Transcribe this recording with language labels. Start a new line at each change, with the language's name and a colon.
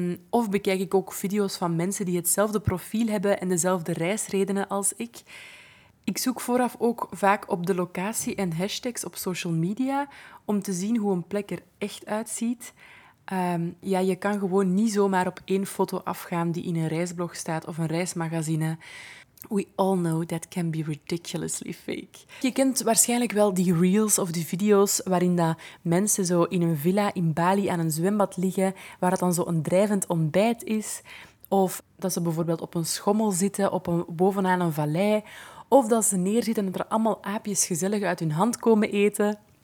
Dutch: Of bekijk ik ook video's van mensen die hetzelfde profiel hebben en dezelfde reisredenen als ik. Ik zoek vooraf ook vaak op de locatie en hashtags op social media om te zien hoe een plek er echt uitziet. Je kan gewoon niet zomaar op 1 foto afgaan die in een reisblog staat of een reismagazine.
English: We all know that can be ridiculously fake.
Dutch: Je kent waarschijnlijk wel die reels of die video's waarin dat mensen zo in een villa in Bali aan een zwembad liggen, waar het dan zo een drijvend ontbijt is. Of dat ze bijvoorbeeld op een schommel zitten bovenaan een vallei. Of dat ze neerzitten en er allemaal aapjes gezellig uit hun hand komen eten.